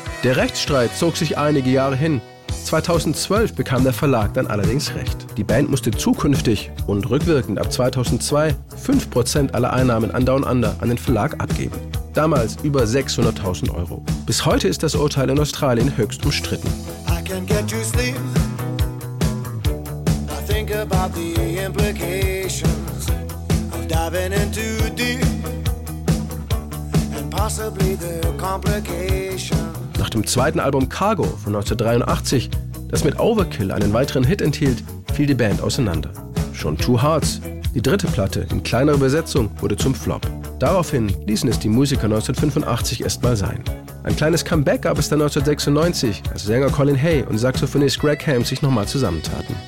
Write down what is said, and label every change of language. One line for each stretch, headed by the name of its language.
German: Der Rechtsstreit zog sich einige Jahre hin. 2012 bekam der Verlag dann allerdings recht. Die Band musste zukünftig und rückwirkend ab 2002 5% aller Einnahmen an Down Under an den Verlag abgeben. Damals über 600.000 Euro. Bis heute ist das Urteil in Australien höchst umstritten.
English: Can't get to sleep. I think about the implications of diving in too deep and possibly the complications.
German: Nach dem zweiten Album Cargo von 1983, das mit Overkill einen weiteren Hit enthielt, fiel die Band auseinander. Schon Two Hearts, die dritte Platte in kleinerer Übersetzung, wurde zum Flop. Daraufhin ließen es die Musiker 1985 erstmal sein. Ein kleines Comeback gab es dann 1996, als Sänger Colin Hay und Saxophonist Greg Hamm sich nochmal zusammentaten.